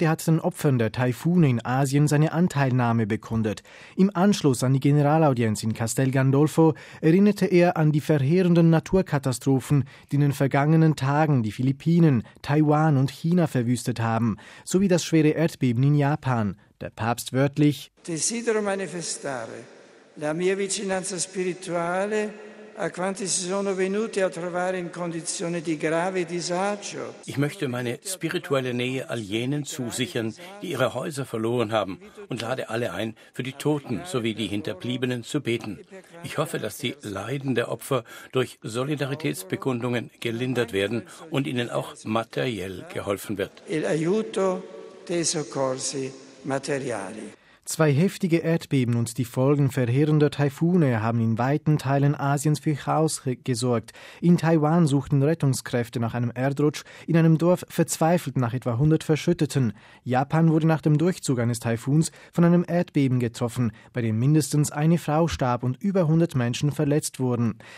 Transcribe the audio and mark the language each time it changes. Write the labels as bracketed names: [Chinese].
[German] Hat den Opfern der Taifune in Asien seine Anteilnahme bekundet. Im Anschluss an die Generalaudienz in Castel Gandolfo erinnerte er an die verheerenden Naturkatastrophen, die in den vergangenen Tagen die Philippinen, Taiwan und China verwüstet haben, sowie das schwere Erdbeben in Japan. Der Papst wörtlich: [Italian] Desidero manifestare la mia vicinanza spirituale a quanti si sono venuti a trovare in condizione di grave disagio. [German] Ich möchte meine spirituelle Nähe all jenen zusichern, die ihre Häuser verloren haben, und lade alle ein, für die Toten sowie die Hinterbliebenen zu beten. Ich hoffe, dass die Leiden der Opfer durch Solidaritätsbekundungen gelindert werden und ihnen auch materiell geholfen wird. [Italian] L'aiuto dei soccorsi materiali. [German] Zwei heftige Erdbeben und die Folgen verheerender Taifune haben in weiten Teilen Asiens für Chaos gesorgt. In Taiwan suchten Rettungskräfte nach einem Erdrutsch in einem Dorf verzweifelt nach etwa 100 Verschütteten. Japan wurde nach dem Durchzug eines Taifuns von einem Erdbeben getroffen, bei dem mindestens eine Frau starb und über 100 Menschen verletzt wurden.